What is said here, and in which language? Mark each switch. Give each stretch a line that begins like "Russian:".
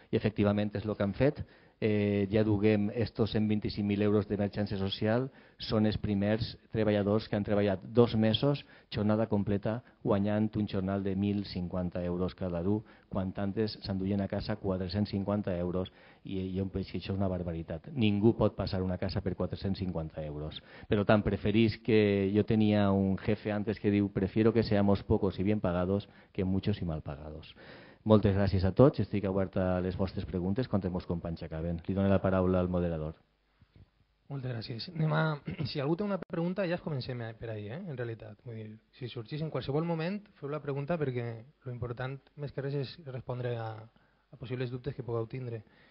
Catalan: I efectivament és el que han fet, ja duguem estos 125.000 euros d'emergència social, són els primers treballadors que han treballat 2 mesos, jornada completa, guanyant un jornal de 1.050 euros cada un, quan tantes s'enduien a casa 450 euros, i jo em penso que això és una barbaritat. Ningú pot passar una casa per 450 euros. Per tant, preferís que... Jo tenia un jefe antes que diu,
Spanish: prefiero que seamos pocos y bien pagados que muchos y mal pagados.
Catalan: Moltes gràcies a tots, estic oberta a les vostres preguntes, quan els meus companys acaben. Li dono la paraula al moderador. Moltes gràcies. Si algú té una pregunta, ja comencem per ahir, en realitat. Vull dir, si sorgís en qualsevol moment, feu la pregunta, perquè l'important més que res és respondre a possibles dubtes que pugueu tindre.